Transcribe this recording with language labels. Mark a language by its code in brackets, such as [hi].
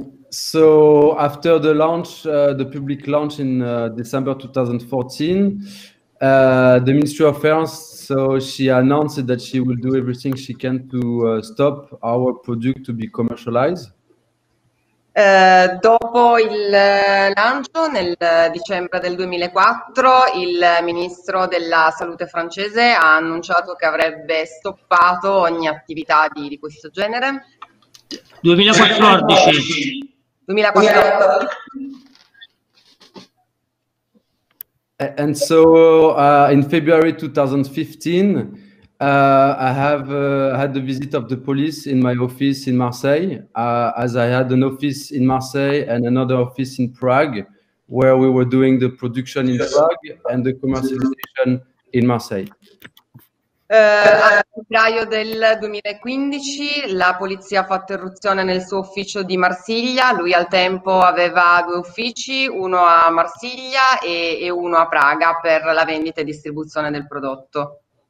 [en] So after the launch, the public launch in December 2014, the Ministry of Health, so she announced that she will do everything she can to stop our product to be commercialized. [it] Dopo il lancio, nel dicembre del 2004, il ministro della Salute francese ha annunciato che avrebbe stoppato ogni attività di questo genere. 2014. 2014. [en] And so in February 2015, I had the visit of the police in my office in Marseille, as I had an office in Marseille and another office in Prague, where we were doing the production in Prague and the commercialization in Marseille. [it] A febbraio del 2015 la polizia ha fatto irruzione nel suo ufficio di Marsiglia. Lui al tempo aveva due uffici, uno a Marsiglia e uno a Praga per la vendita e distribuzione del prodotto.